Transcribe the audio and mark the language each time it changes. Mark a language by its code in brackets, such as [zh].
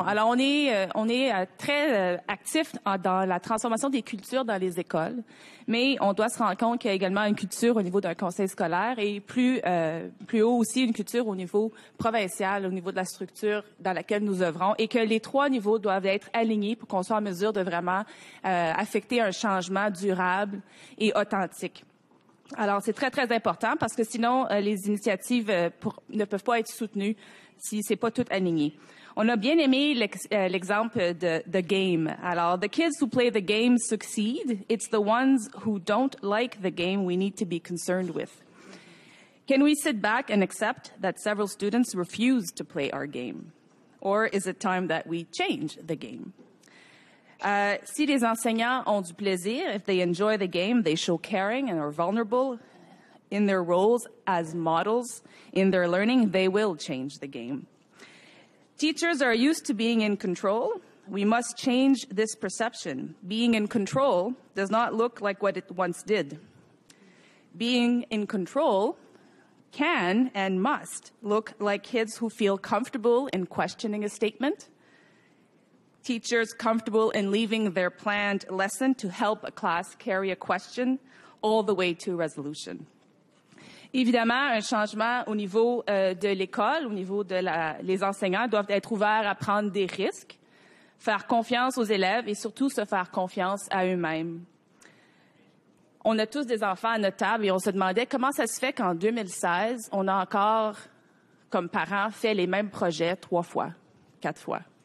[fr] Alors, on est très actif dans la transformation des cultures dans les écoles, mais on doit se rendre compte qu'il y a également une culture au niveau d'un conseil scolaire et plus haut aussi une culture au niveau provincial, au niveau de la structure dans laquelle nous œuvrons, et que les trois niveaux doivent être alignés pour qu'on soit en mesure de vraiment affecter un changement durable et authentique. Alors, c'est très, très important parce que sinon, les initiatives ne peuvent pas être soutenues si c'est pas tout aligné. On a bien aimé l'exemple de The Game. [en] Alors, the kids who play the game succeed. It's the ones who don't like the game we need to be concerned with. Can we sit back and accept that several students refuse to play our game? Or is it time that we change the game? [fr] Si les enseignants ont du plaisir, [en] if they enjoy the game, they show caring and are vulnerable in their roles as models in their learning, they will change the game. Teachers are used to being in control. We must change this perception. Being in control does not look like what it once did. Being in control can and must look like kids who feel comfortable in questioning a statement. Teachers comfortable in leaving their planned lesson to help a class carry a question all the way to resolution. [fr] Évidemment, un changement au niveau de l'école, au niveau de les enseignants, doivent être ouverts à prendre des risques, faire confiance aux élèves et surtout se faire confiance à eux-mêmes. On a tous des enfants à notre table et on se demandait comment ça se fait qu'en 2016, on a encore, comme parents, fait les mêmes projets trois fois, quatre fois.